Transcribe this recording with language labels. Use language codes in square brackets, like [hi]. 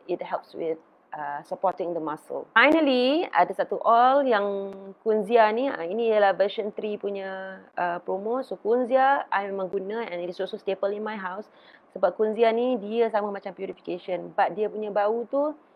[en] It helps with supporting the muscle. [ms] Finally, ada satu oil yang Kunzia ni. Ini ialah version 3 punya promo. So Kunzia, I memang guna [en] and it is also staple in my house. [ms] Sebab Kunzia ni, dia sama macam purification. But dia punya bau tu